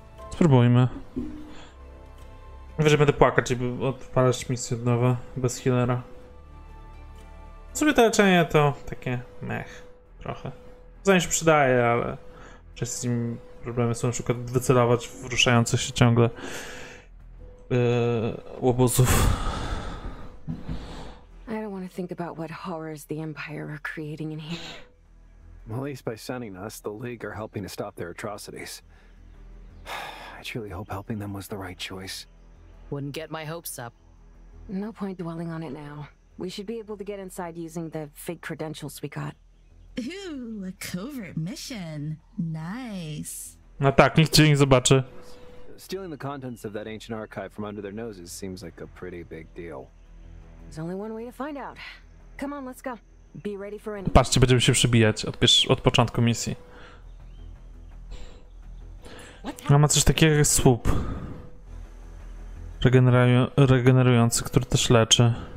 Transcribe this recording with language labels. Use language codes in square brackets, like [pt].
[pl] Spróbujmy. Wiesz, będę płakać, żeby odpalać misję nowe bez healera. W sumie to leczenie to takie mech, trochę. Zanim się przydaje, ale często z nim problemy są na przykład wycelować w ruszających się ciągle łobuzów. [en] I don't want to think about what horrors the Empire are creating in here. At least by sending us, the League are helping to stop their atrocities. I truly hope helping them was the right choice. Wouldn't get my hopes up. No point dwelling on it now. We should be able to get inside using the fake credentials we got. Ooh, a covert mission. Nice. [pl] No tak, nikt cię nie zobaczy. [en] Stealing the contents of that ancient archive from under their noses seems like a pretty big deal. There's only one way to find out. Come on, let's go. Be ready for anything. [pl] Patrzcie, będziemy się przebijać od początku misji. No ma coś takiego jak słup. Regenerujący, który też leczy.